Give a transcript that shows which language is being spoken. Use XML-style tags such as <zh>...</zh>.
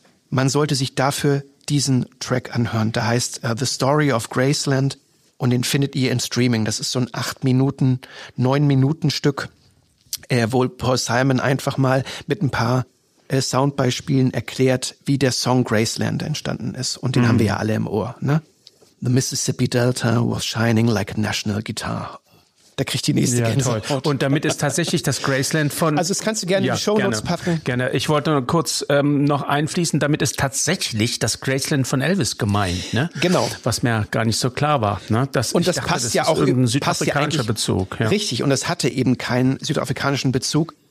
<de>Man sollte sich dafür diesen Track anhören. Der heißt The Story of Graceland und den findet ihr im Streaming. Das ist so ein 9 Minuten Stück, wo Paul Simon einfach mal mit ein paar Soundbeispielen erklärt, wie der Song Graceland entstanden ist. Und den haben wir ja alle im Ohr. Ne?</de> <en>The Mississippi Delta was shining like a national guitar.</en> <de>Da kriegt die nächste Gänsehaut. Toll. Und damit ist tatsächlich das Graceland von... Also das kannst du gerne in die Shownotes packen. Gerne. Ich wollte nur kurz noch einfließen. Damit ist tatsächlich das Graceland von Elvis gemeint. Ne? Genau. Was mir gar nicht so klar war. Ne? Das ist irgendein südafrikanischer Bezug. Ja. Richtig. Und es hatte eben keinen südafrikanischen Bezug.</de>